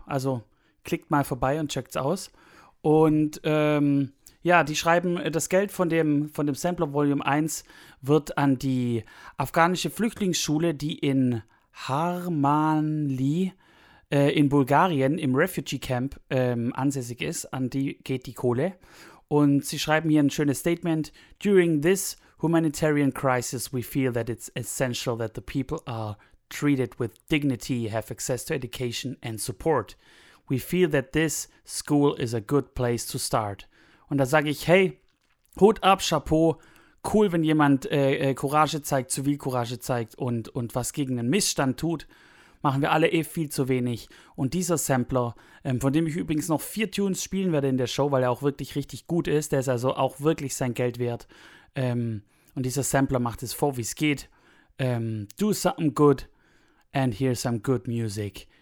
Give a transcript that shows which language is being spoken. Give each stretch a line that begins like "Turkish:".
German: Also klickt mal vorbei und checkt's aus. Und ja, die schreiben, das Geld von dem Sampler Volume 1 wird an die afghanische Flüchtlingsschule, die in Harmanli in Bulgarien im Refugee Camp ansässig ist, an die geht die Kohle. Und sie schreiben hier ein schönes Statement.
English: During this humanitarian crisis, we feel that it's essential that the people are treated with dignity, have access to education and support. We feel that this school is a good place to start.
German: Und da sage ich, hey, Hut ab, Chapeau, cool, wenn jemand Courage zeigt, Zivilcourage zeigt und was gegen den Missstand tut, machen wir alle eh viel zu wenig. Und dieser Sampler, von dem ich übrigens noch 4 Tunes spielen werde in der Show, weil er auch wirklich richtig gut ist, der ist also auch wirklich sein Geld wert. Und dieser Sampler macht es vor, wie es geht.
English: Do something good and hear some good music.